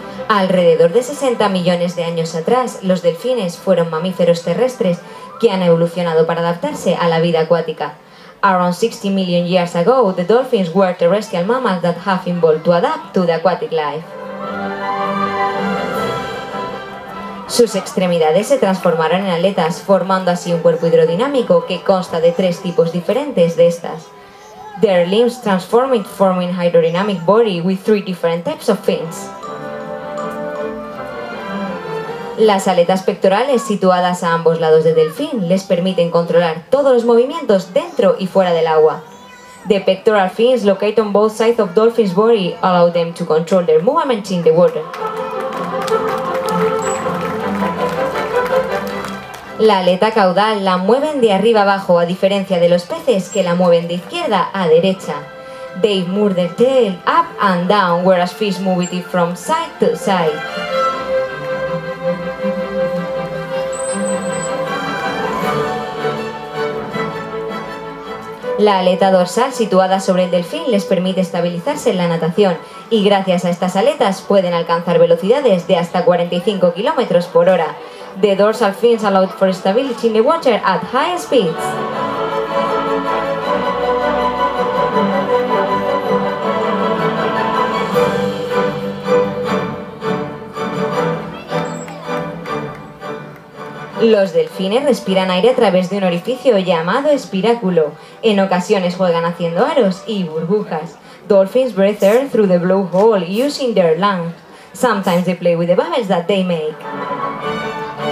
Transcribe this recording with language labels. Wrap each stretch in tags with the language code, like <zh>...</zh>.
<es>Alrededor de 60 millones de años atrás, los delfines fueron mamíferos terrestres que han evolucionado para adaptarse a la vida acuática.</es> <en>Around 60 million years ago, the dolphins were terrestrial mammals that have evolved to adapt to the aquatic life.</en> <es>Sus extremidades se transformaron en aletas, formando así un cuerpo hidrodinámico que consta de tres tipos diferentes de estas.</es> <en>Their limbs transformed forming hydrodynamic body with three different types of fins.</en> <es>Las aletas pectorales situadas a ambos lados del delfín les permiten controlar todos los movimientos dentro y fuera del agua.</es> <en>The pectoral fins located on both sides of dolphin's body allow them to control their movements in the water.</en> <es>La aleta caudal la mueven de arriba abajo, a diferencia de los peces que la mueven de izquierda a derecha.</es> <en>They move their tail up and down, whereas fish move it from side to side.</en> <es>La aleta dorsal situada sobre el delfín les permite estabilizarse en la natación y gracias a estas aletas pueden alcanzar velocidades de hasta 45 km por hora.</es> <en>The dorsal fins allow for stability in the water at high speeds.</en> <es>Los delfines respiran aire a través de un orificio llamado espiráculo. En ocasiones juegan haciendo aros y burbujas.</es> <en>Dolphins breathe air through the blowhole using their lungs. Sometimes they play with the bubbles that they make.</en>